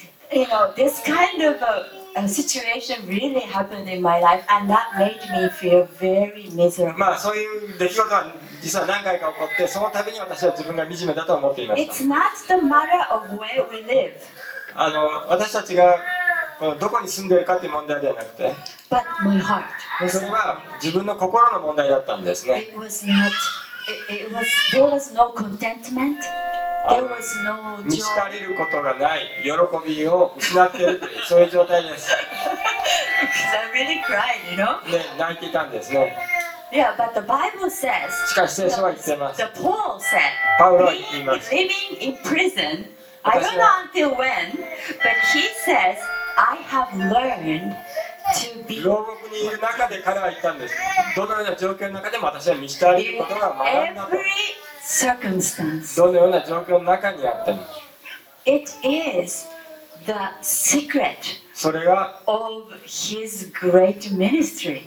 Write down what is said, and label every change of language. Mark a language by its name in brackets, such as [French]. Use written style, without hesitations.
[English] You know, this kind of a situation really happened in my life, and that made me feel very miserable. [Japanese] まあそういう出来事は実は何回か起こって、その度に私は自分が惨めだと思っていました。 [English] It's not the matter of where we live. [Japanese] 私たちがどこに住んでいるかという問題ではなくて、 [English] But my heart. [Japanese] それは自分の心の問題だったんですね。 [English] There was no contentment. There was no joy. [Japanese] 満ち足りることがない喜びを失っているというそういう状態です。 [English] Because I really cried, you know? [Japanese] ね、泣いていたんですね。 [English] Yeah, but the Bible says. [Japanese] しかし聖書は言ってます。 [English] The Paul said. [Japanese] パウロは言います。 [English] Living in prison, I don't know until when, but he says I have learned to be. [Japanese] 牢獄にいる中で彼は言ったんです。どのような状況の中でも私は満ち足りることが学んだと。 [English] Every circumstance. [Japanese] どのような状況の中にあっても。 [English] It is the secret. [Japanese] それが [English] of his great ministry.